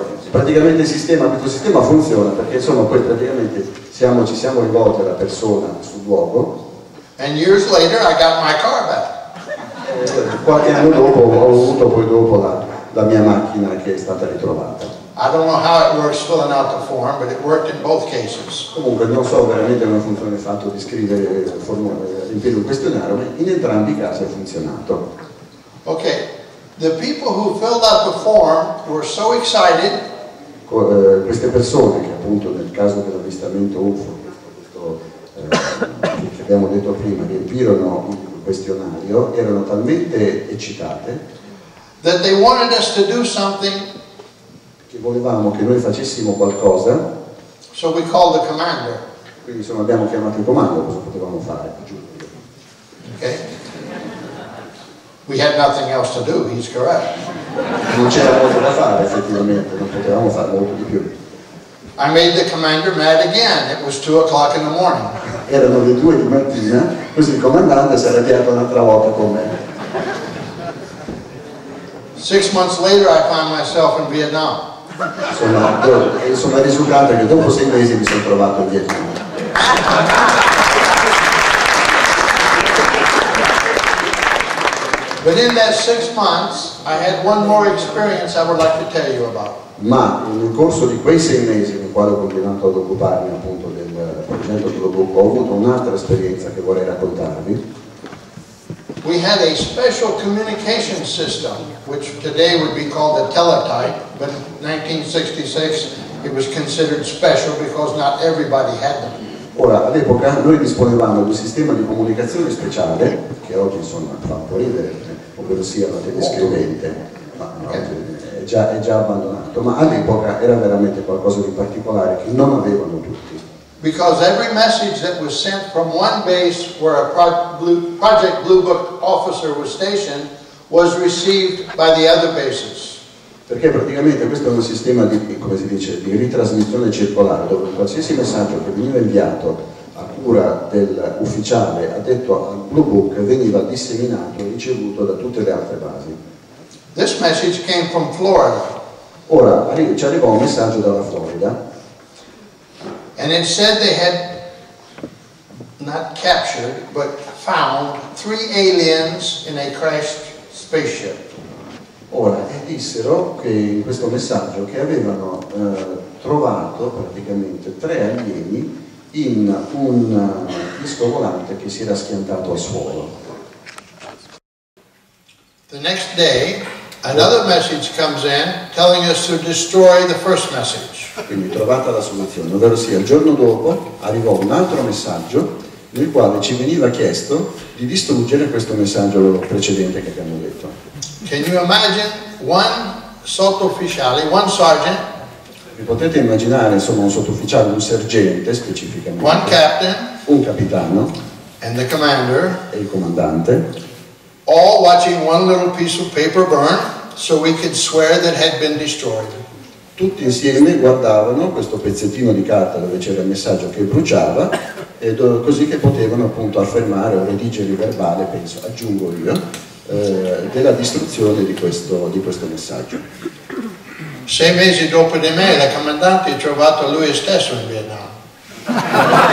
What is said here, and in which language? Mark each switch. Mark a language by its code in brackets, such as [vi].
[it] Praticamente questo sistema funziona, perché insomma poi praticamente ci siamo rivolti alla persona sul luogo. [en] And years later I got my car back. [it] Qualche anno dopo ho avuto poi dopo la mia macchina che è stata ritrovata. [en] I don't know how it works filling out the form, but it worked in both cases. [it] Comunque non so veramente come funziona il fatto di scrivere il formulario, un questionario, ma in entrambi i casi ha funzionato. [en] Okay. The people who filled out the form were so excited. [it] Queste persone che appunto nel caso dell'avvistamento UFO, questo che abbiamo detto prima, riempirono il questionario, erano talmente eccitate [en] that they wanted us to do something. [it] Che volevamo che noi facessimo qualcosa. [en] So we called the commander. [it] Quindi insomma abbiamo chiamato il comando, cosa potevamo fare? [en] Okay. We had nothing else to do, he's correct. [it] Non c'era molto da fare effettivamente, non potevamo fare molto di più. [en] I made the commander mad again, it was 2:00 in the morning. [it] Erano le 2 di mattina, così il comandante si era arrabbiato un'altra volta con me. [en] 6 months later I find myself in Vietnam. [it] Sono risultato che dopo 6 mesi mi sono trovato in Vietnam. [en] But in that 6 months I had one more experience I would like to tell you about. [it] Ma nel corso di quei 6 mesi nel quale ho continuato ad occuparmi appunto del progetto globo, ho avuto un'altra esperienza che vorrei raccontarvi. [en] We had a special communication system, which today would be called a teletype, but in 1966 it was considered special because not everybody had them. [it] Ora, all'epoca noi disponevamo di un sistema di comunicazione speciale, che oggi insomma fa un po' ridere, ovvero sia la telescrivente, ma è già abbandonato, ma all'epoca era veramente qualcosa di particolare che non avevano tutti. [en] Because every message that was sent from one base where a Project Blue Book officer was stationed was received by the other bases. [it] Perché praticamente questo è un sistema di, come si dice, di ritrasmissione circolare, dove qualsiasi messaggio che veniva inviato a cura dell'ufficiale addetto al Blue Book veniva disseminato e ricevuto da tutte le altre basi. [en] This message came from Florida. [it] Ora, ci arrivò un messaggio dalla Florida. [en] And it said they had not captured, but found three aliens in a crashed spaceship. [it] Ora, e dissero che in questo messaggio che avevano trovato praticamente tre alieni in un disco volante che si era schiantato al suolo. [en] The next day, another message comes in telling us to destroy the first message. [it] Quindi trovata la soluzione, ovvero sia il giorno dopo arrivò un altro messaggio nel quale ci veniva chiesto di distruggere questo messaggio precedente che abbiamo detto. [en] Can you imagine one sottufficiale, one sergeant? [it] Vi potete immaginare insomma un sottufficiale, un sergente specificamente. [en] One captain. [it] Un capitano. [en] And the commander. [it] E il comandante. [en] All watching one little piece of paper burn, so we could swear that had been destroyed. [it] Tutti insieme guardavano questo pezzettino di carta dove c'era il messaggio che bruciava, e così che potevano appunto affermare o redigere il verbale, penso, aggiungo io, della distruzione di questo messaggio. Sei mesi dopo di me, la comandante ha trovato lui stesso in Vietnam.